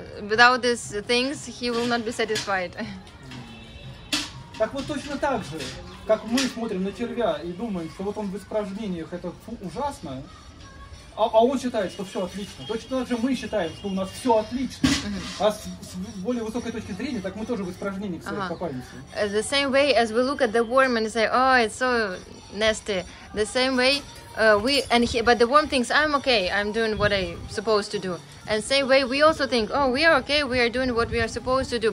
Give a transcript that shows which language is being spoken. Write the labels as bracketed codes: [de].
[en] Without these things, he will not be satisfied. [ru] Так вот точно так же, как мы смотрим на червя и думаем, что вот он в испражнениях, это ужасно. А он считает, что все отлично. Точно так же мы считаем, что у нас все отлично. А с более высокой точки зрения, так мы тоже в испражнении к себе попались. [en] The same way as we look at the worm and say, oh, it's so nasty. The same way we and he, but the worm thinks I'm okay, I'm doing what I'm supposed to do. And same way we also think, oh, we are okay, we are doing what we are supposed to do.